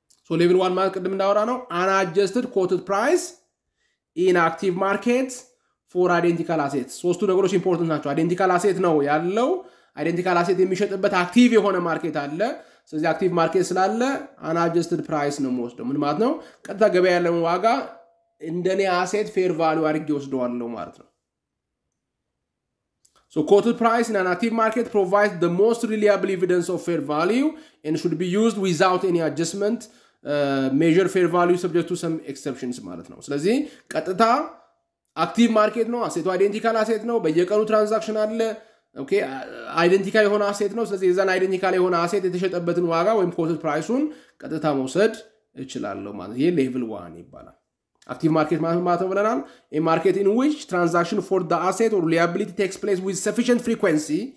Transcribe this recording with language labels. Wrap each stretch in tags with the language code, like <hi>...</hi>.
<am>ሶ ሌቭል ዋን ማለት ቅድም እንዳወራ ነው</am> <en>አንአጀስትድ ኮትድ ፕራይስ ኢን አክቲቭ ማርኬት ፎር አይደንቲካል አሴት።</en> <am>ሶስቱ ነገሮች ኢምፖርታንት ናቸው። አይደንቲካል አሴት ነው ያለው፣ አይደንቲካል አሴት የሚሸጥበት አክቲቭ የሆነ ማርኬት አለ። ስለዚህ አክቲቭ ማርኬት ስላለ አንአጀስትድ ፕራይስ ነው የምወስደው። ምን ማለት ነው? ቀጥታ ገበያ ያለውን ዋጋ እንደኔ አሴት ፌር ቫሉ አድርጌ ወስደዋለሁ ማለት ነው።</am> <en>So quoted price in an active market provides the most reliable evidence of fair value and should be used without any adjustment. Measure fair value subject to some exceptions</en> <am>ማለት ነው። ስለዚህ ቀጥታ active market ነው፣ አሴቱ identical አሴት ነው፣ በየቀኑ transaction አለ። Okay, identical የሆነ አሴት ነው። ስለዚህ የዛን identical የሆነ አሴት የተሸጠበትን ዋጋ ወይም quoted price-ን ቀጥታ መውሰድ እችላለሁ ማለት ይሄ level 1 ይባላል። አክቲቭ ማርኬት ማለት ብለናል</am> <en>ኤ ማርኬት ኢን ዊች ትራንዛክሽን ፎር ዘ አሴት ኦር ሪላያቢሊቲ ቴክስ ፕሌስ ዊዝ ሰፊሽንት ፍሪኩዌንሲ</en>